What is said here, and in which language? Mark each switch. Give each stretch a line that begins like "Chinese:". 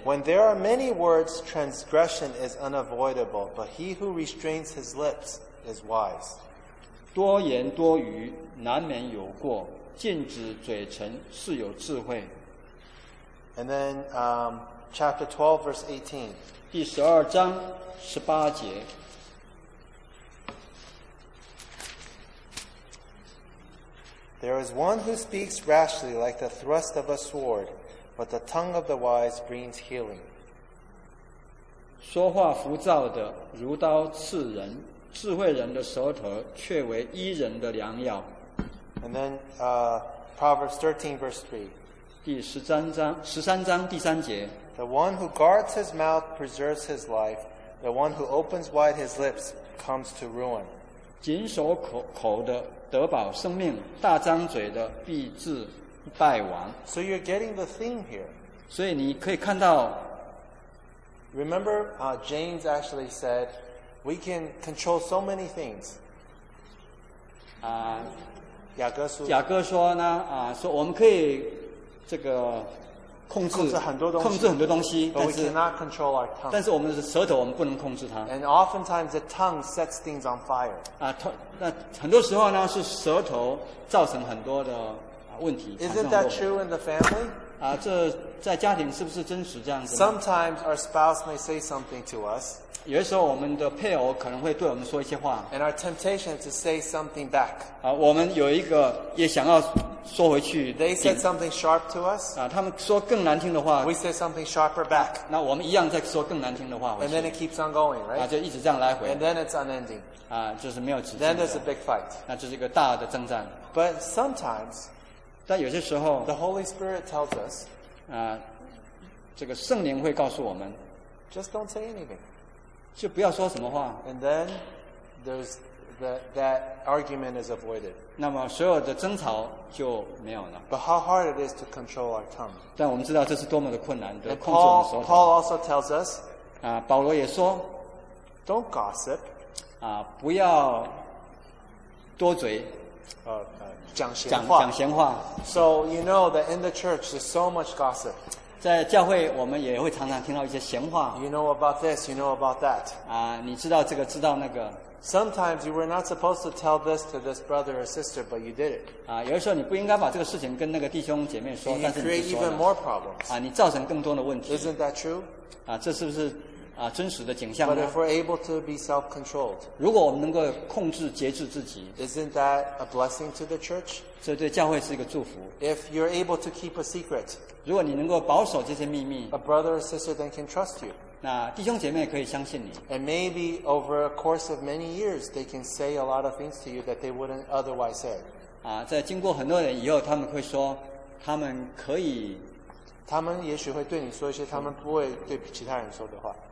English: When there are many words, transgression is unavoidable, but he who restrains his lips is wise.
Chinese: 多言多语难免有过，禁止嘴唇是有智慧。
English: And then, chapter 12, verse 18.
Chinese: 第十二章十八节。
English: There is one who speaks rashly like the thrust of a sword, but the tongue of the wise brings healing.
Chinese: 说话浮躁的如刀刺人，智慧人的舌头却为医人的良药。
English: And then, Proverbs 13, verse 3.
Chinese: 第十三章第三节。
English: The one who guards his mouth preserves his life, the one who opens wide his lips comes to ruin.
Chinese: 谨守 口的得保生命，大张嘴的必致败亡。
English: So you're getting the theme here.
Chinese: 所以你可以看到。
English: Remember, James actually said, we can control so many things.
Chinese: 雅各说呢，说我们可以这个控制很多东西，但是
English: we cannot control our tongue.
Chinese: 但是我们的舌头我们不能控制它。
English: And oftentimes the tongue sets things on fire.
Chinese: 那很多时候呢是舌头造成很多的问题。
English: Isn't that true in the family?
Chinese: 这在家庭是不是真实这样子？
English: Sometimes our spouse may say something to us.
Chinese: 有的时候我们的配偶可能会对我们说一些话。
English: And our temptation is to say something back.
Chinese: 我们有一个也想要。说回去
English: They said something sharp to us.
Chinese: 他们说更难听的话。
English: We said something sharper back.
Chinese: 那我们一样在说更难听的话回去。
English: And then it keeps on going, right?
Chinese: 就一直这样来回。
English: And then it's unending.
Chinese: 就是没有止境。
English: Then there's a big fight.
Chinese: 那就是一个大的征战。
English: But sometimes,
Chinese: 但有些时候
English: the Holy Spirit tells us,
Chinese: 这个圣灵会告诉我们
English: just don't say anything.
Chinese: 就不要说什么话。
English: And then there's that argument is avoided.
Chinese: 那么所有的争吵就没有了。
English: But how hard it is to control our tongue.
Chinese: 但我们知道这是多么的困难的控制我们的舌头。
English: Paul also tells us,
Chinese: 保罗也说
English: don't gossip,
Chinese: 不要多嘴讲闲话。
English: So you know that in the church there's so much gossip.
Chinese: 在教会我们也会常常听到一些闲话。
English: You know about this, you know about that.
Chinese: 你知道这个知道那个。
English: Sometimes you were not supposed to tell this to this brother or sister, but you did it.
Chinese: 有的时候你不应该把这个事情跟那个弟兄姐妹说，但是你就说了。
English: You create even more problems.
Chinese: 你造成更多的问题。
English: Isn't that true?
Chinese: 这是不是真实的景象呢？
English: But if we're able to be self-controlled,
Chinese: 如果我们能够控制节制自己，
English: isn't that a blessing to the church?
Chinese: 这对教会是一个祝福。
English: If you're able to keep a secret,
Chinese: 如果你能够保守这些秘密，
English: a brother or sister then can trust you.
Chinese: 那弟兄姐妹可以相信你。
English: And maybe over a course of many years, they can say a lot of things to you that they wouldn't otherwise say.
Chinese: 在经过很多年以后，他们会说，他们可以。他们也许会对你说一些他们不会对其他人说的话。